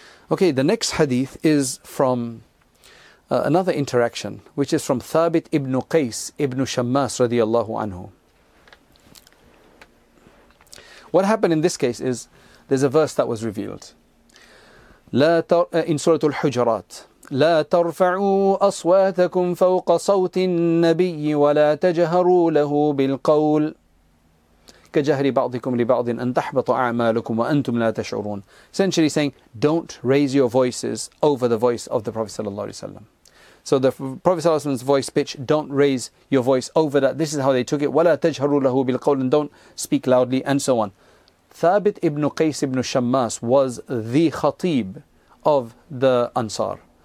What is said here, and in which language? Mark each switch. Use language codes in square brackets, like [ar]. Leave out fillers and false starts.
[en] Okay, the next hadith is from another interaction, which is from Thabit ibn Qais ibn Shammas radiallahu anhu. What happened in this case is, there's a verse that was revealed. In Surah Al-Hujurat. [ar] لا ترفعوا أصواتكم فوق صوت النبي ولا تجهروا له بالقول كجهر بعضكم لبعض أن تحبط أعمالكم وأنتم لا تشعرون. [en] Essentially saying, don't raise your voices over the voice of the Prophet sallallahu alaihi wasallam. So the Prophet ﷺ's voice pitch, don't raise your voice over that. This is how they took it. [ar] وَلَا تَجْهَرُوا لَهُ بِالْقَوْلِ [en] and don't speak loudly, and so on. Thabit ibn Qais ibn Shammas was the khatib of the Ansar.